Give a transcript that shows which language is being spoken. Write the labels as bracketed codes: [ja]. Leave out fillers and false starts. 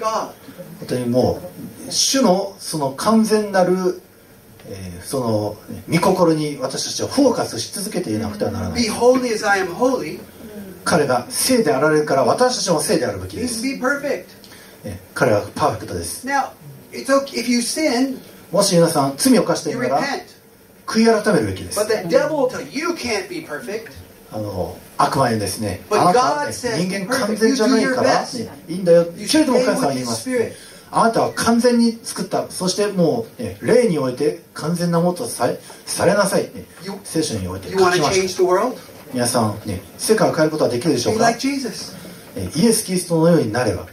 [ja] 本当にもう主のその完全なる、その御心に私たちはフォーカスし続けていなくてはならない。 [en] Be holy as I am holy. [ja] 彼が聖であられるから私たちも聖であるべきです。 [en] be perfect. [ja] 彼はパーフェクトです。 [en] Now, it's okay if you sin, [ja] もし皆さん罪を犯しているなら悔い改めるべきです。 [en] But the devil tell you can't be perfect. [ja] 悪魔にですね、あなたは人間完全じゃないからいいんだよ。けれども神様は言います、あなたは完全に作った、そしてもう、ね、霊において完全なものとされなさい、ね、聖書において書きました。皆さん、ね、世界を変えることはできるでしょうか。イエス・キリストのようになれば、